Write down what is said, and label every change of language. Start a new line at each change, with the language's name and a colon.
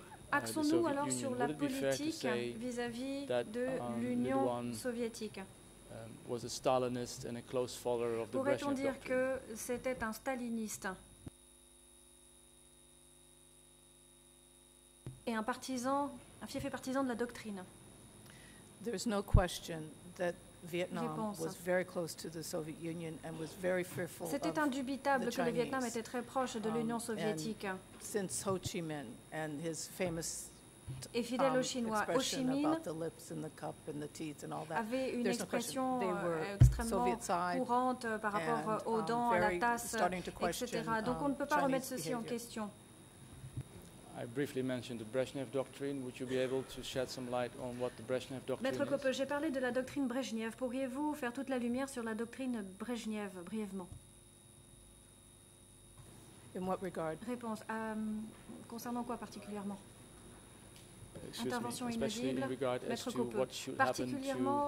French: Axons-nous alors sur la politique vis-à-vis de l'Union soviétique.
English: Was a Stalinist and a close follower of the
French: pourrait-on dire que c'était un staliniste et un partisan, un fief et partisan de la doctrine?
English: There's no question that Vietnam was very close to the Soviet Union and was very fearful.
French: C'était indubitable que le Vietnam était très proche de l'Union soviétique.
English: Since Ho Chi Minh and his famous
French: et fidèle aux Chinois, Ho Chi Minh
English: about the lips and the cup and the teeth and all that.
French: Avait une expression extrêmement courante par rapport aux dents, à la tasse, etc. Donc on ne peut pas remettre ceci en question.
English: I briefly mentioned the Brezhnev doctrine. Would you be able to shed some light on what the Brezhnev doctrine
French: Maître
English: is?
French: Maître Coppe, j'ai parlé de la doctrine Brezhnev. Pourriez-vous faire toute la lumière sur la doctrine Brezhnev, brièvement?
English: In what regard?
French: Réponse. Concernant quoi particulièrement? Intervention inaudible. Maître Coppe,
English: what should
French: particulièrement